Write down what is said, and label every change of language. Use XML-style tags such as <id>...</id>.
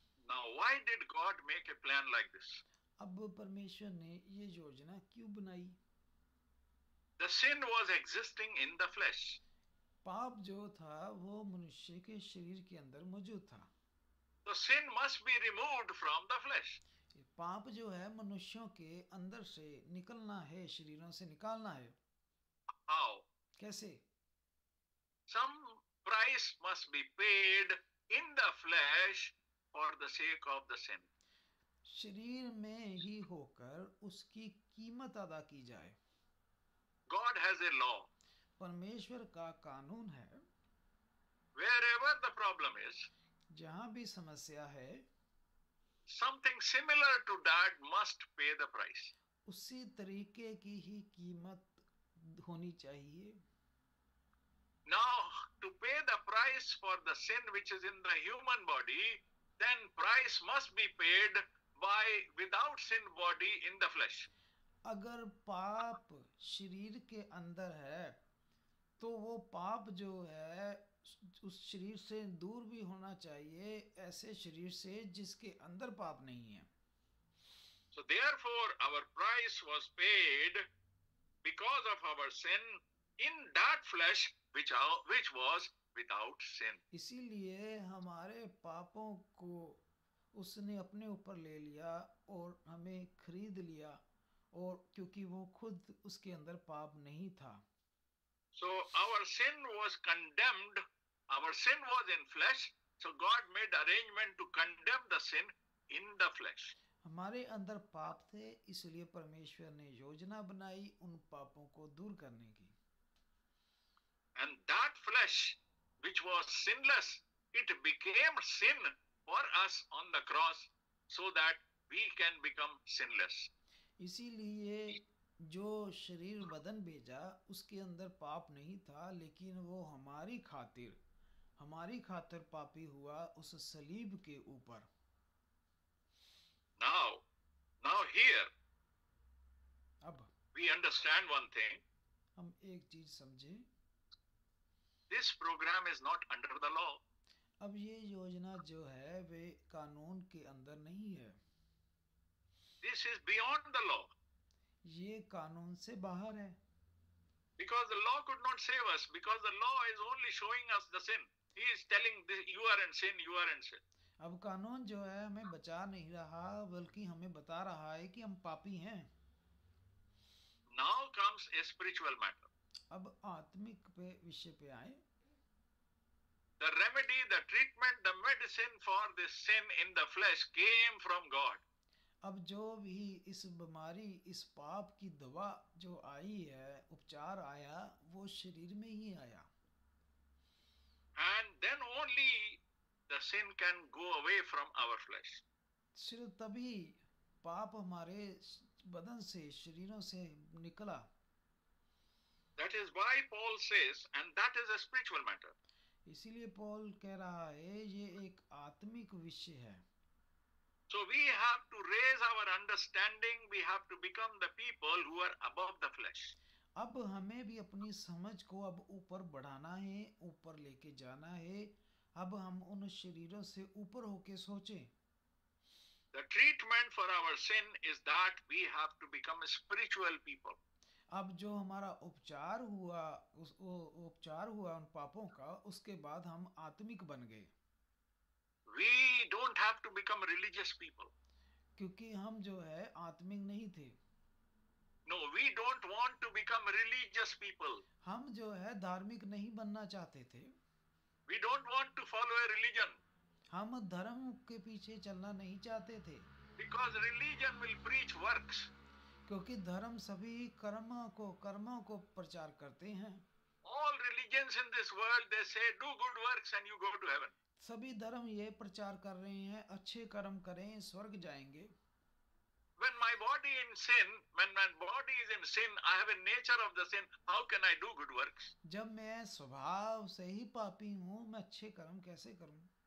<en>Now why did God make a plan like this?</en> <hi>अब परमेश्वर ने ये योजना क्यों बनाई?</hi> <en>The sin was existing in the flesh.</en> <hi>पाप जो था वो मनुष्य के शरीर के अंदर मौजूद था.</hi> <en>The sin must be removed from the flesh.</en> <hi>पाप जो है मनुष्यों के अंदर से निकलना है शरीरों से निकालना है.</hi> <en>How?</en> <hi>कैसे?</hi> <en>Some price must be paid in the flesh for the sake of the sin.</en> <hi>शरीर में ही होकर उसकी कीमत अदा की जाए.</hi> <en>God has a law.</en> <hi>परमेश्वर का कानून है.</hi> <en>Wherever the problem is.</en> <hi>जहां भी समस्या है</hi> <en>something similar to that must pay the price.</en> <hi>उसी तरीके की ही कीमत होनी चाहिए.</hi> <en>Now to pay the price for the sin which is in the human body, then price must be paid by without sin body in the flesh.</en> <hi>अगर पाप शरीर के अंदर है तो वो पाप जो है उस शरीर से दूर भी होना चाहिए ऐसे शरीर से जिसके अंदर पाप नहीं है.</hi> <en>So therefore our price was paid because of our sin in that flesh which was without sin.</en> <hi>इसीलिए हमारे पापों को उसने अपने ऊपर ले लिया और हमें खरीद लिया और क्योंकि वो खुद उसके अंदर पाप नहीं था.</hi> <en>So our sin was condemned. Our sin was in flesh. So God made arrangement to condemn the sin in the flesh.</en> <hi>हमारे अंदर पाप थे इसलिए परमेश्वर ने योजना बनाई उन पापों को दूर करने की.</hi> <en>And that flesh, which was sinless, it became sin for us on the cross, so that we can become sinless.</en> <hi>इसीलिए जो शरीर बदन भेजा उसके अंदर पाप नहीं था लेकिन वो हमारी खातिर पापी हुआ उस सलीब के ऊपर.</hi> <en>Now here,</en> <hi>अब</hi> <en>we understand one thing.</en> <hi>हम एक चीज समझे.</hi> <en>This program is not under the law.</en> <hi>अब ये योजना जो है वे कानून के अंदर नहीं है.</hi> <en>This is beyond the law.</en> <hi>ये कानून से बाहर है.</hi> <en>Because the law could not save us, because the law is only showing us the sin. He is telling this, you are in sin.</en> <hi>अब कानून जो है हमें बचा नहीं रहा बल्कि हमें बता रहा है कि हम पापी हैं.</hi> <en>Now comes a spiritual matter.</en> <hi>अब आत्मिक पे विषय पे आए.</hi> <en>The remedy, the treatment, the medicine for this sin in the flesh came from God.</en> <hi>अब जो भी इस बीमारी इस पाप की दवा जो आई है उपचार आया वो शरीर में ही आया.</hi> <en>And then only the sin can go away from our flesh.</en> <hi>सिर्फ तभी पाप हमारे बदन से शरीरों से निकला.</hi> <en>That is why Paul says, and that is a spiritual matter.</en> <hi>इसीलिए पॉल कह रहा है ये एक आत्मिक विषय है.</hi> <en>So we have to raise our understanding. We have to become the people who are above the flesh.</en> <hi>अब हमें भी अपनी समझ को अब ऊपर बढ़ाना है, ऊपर लेके जाना है. अब हम उन शरीरों से ऊपर होके सोचें.</hi> <en>The treatment for our sin is that we have to become a spiritual people.</en> <hi>अब जो हमारा उपचार हुआ उपचार हुआ उन पापों का उसके बाद हम आत्मिक बन गए.</hi> <en>We don't have to become religious people.</en> <hi>क्योंकि हम जो है आत्मिक नहीं थे.</hi> <en>No, we don't want to become religious people.</en> <hi>हम जो है धार्मिक नहीं बनना चाहते थे.</hi> <en>We don't want to follow a religion.</en> <hi>हम धर्म के पीछे चलना नहीं चाहते थे.</hi> <en>Because religion will preach works.</en> <hi>क्योंकि धर्म सभी कर्मों को प्रचार करते हैं.</hi> <en>All religions in this world, they say, do good works and you go to heaven.</en> <hi>सभी धर्म ये प्रचार कर रहे हैं अच्छे कर्म करें स्वर्ग जाएंगे.</hi> <en>When my body in sin, when my body is in sin, I have a nature of the sin. How can I do good works?</en> <hi>जब मैं स्वभाव से ही पापी हूँ मैं अच्छे कर्म कैसे करूँ?</hi>